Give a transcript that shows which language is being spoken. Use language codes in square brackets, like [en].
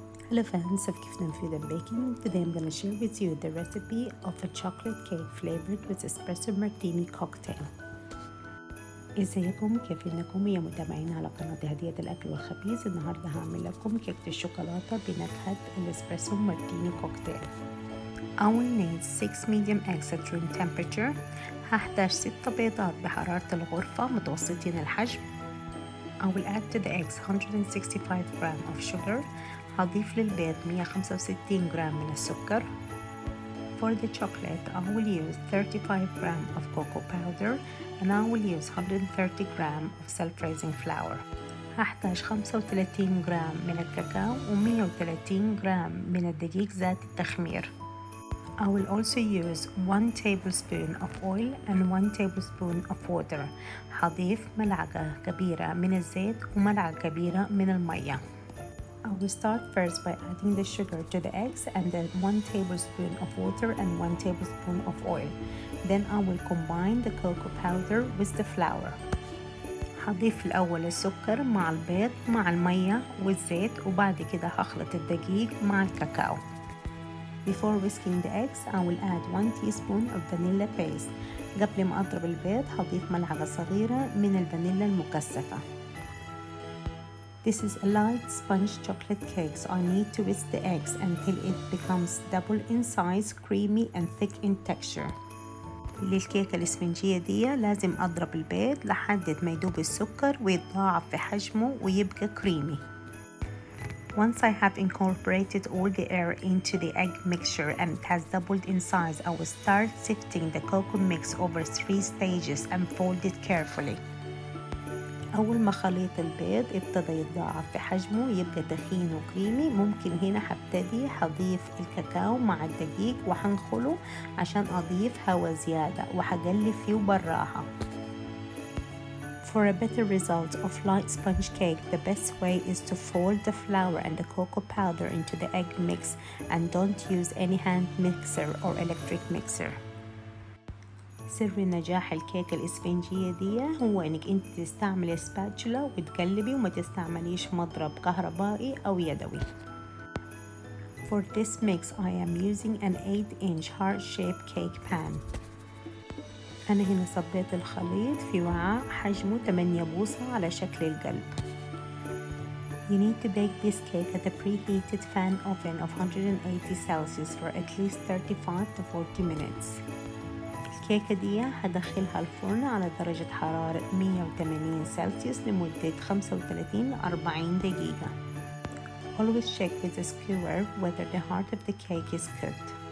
[en] Hello fans of Gift and Food and Baking. Today I'm going to share with you the recipe of a chocolate cake flavored with espresso martini cocktail. [ar] ازيكم كيف انكم يا متابعين على قناة هدية الاكل والخبيز. النهاردة هعمل لكم كيكة الشوكولاتة بنكهة الاسبريسو مارتيني كوكتيل. [en] I will need 6 medium eggs at room temperature. [ar] هحتاج 6 بيضات بحرارة الغرفة متوسطين الحجم. [en] I will add to the eggs 165 gram of sugar. [ar] هضيف للبيض 165 جرام من السكر. [en] For the chocolate, I will use 35 gram of cocoa powder and I will use 130 gram of self-raising flour. [ar] هحتاج 35 جرام من الكاكاو و 130 جرام من الدقيق ذات التخمير. [en] I will also use 1 tablespoon of oil and 1 tablespoon of water. [ar] هضيف ملعقة كبيرة من الزيت وملعقة كبيرة من المية. [en] I will start first by adding the sugar to the eggs and then 1 tablespoon of water and 1 tablespoon of oil. Then I will combine the cocoa powder with the flour. [ar] هضيف الأول السكر مع البيض مع المية والزيت وبعد كده هخلط الدقيق مع الكاكاو. [en] Before whisking the eggs, I will add 1 teaspoon of vanilla paste. [ar] قبل ما أضرب البيض هضيف ملعقة صغيرة من الفانيلا المكثفة. [en] This is a light sponge chocolate cake, so I need to whisk the eggs until it becomes double in size, creamy and thick in texture. [ar] للكيكة الاسفنجية دي لازم أضرب البيض لحد ما يدوب السكر ويتضاعف في حجمه ويبقى creamy. [en] Once I have incorporated all the air into the egg mixture and it has doubled in size, I will start sifting the cocoa mix over 3 stages and fold it carefully. [ar] أول ما خليط البيض ابتدى يتضاعف في حجمه ويبقى تخين وكريمي، ممكن هنا هبتدي هضيف الكاكاو مع الدقيق وهنخله عشان أضيف هواء زيادة وهقلب فيه وبراها. [en] For a better result of light sponge cake, the best way is to fold the flour and the cocoa powder into the egg mix and don't use any hand mixer or electric mixer. [ar] سر نجاح الكيكة الاسفنجية دي هو انك انت تستعملي سباتشولا وتقلبي وما تستعمليش مضرب كهربائي او يدوي. [en] For this mix I am using an 8 inch heart shaped cake pan. [ar] انا هنا صبيت الخليط في وعاء حجمه 8 بوصة على شكل القلب. [en] You need to bake this cake at a preheated fan oven of 180 celsius for at least 35 to 40 minutes. [ar] الكيكة دي هدخلها الفرن على درجة حرارة 180 سلسيوس لمدة 35-40 دقيقة. [en] Always check with a skewer whether the heart of the cake is cooked.